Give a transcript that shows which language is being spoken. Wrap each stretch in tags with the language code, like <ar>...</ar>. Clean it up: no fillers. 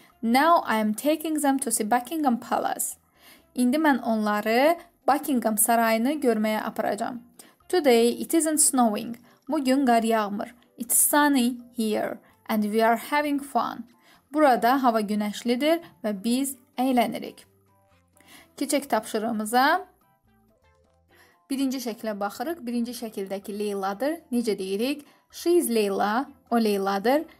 <en>Now I'm taking them to see Buckingham Palace.</en> <az>İndi mən onları Buckingham sarayını görməyə aparacağam.</az> <en>Today it isn't snowing.</en> <az>Bugün qar yağmır.</az> <en>It's sunny here and we are having fun.</en> <az>Burada hava günəşlidir və biz əylənirik. Keçək tapşırığımıza. Birinci şəklə baxırıq. Birinci şəkildəki Leyladır. Necə deyirik?</az> <en>She is Leyla.</en> <az>O Leyladır.</az>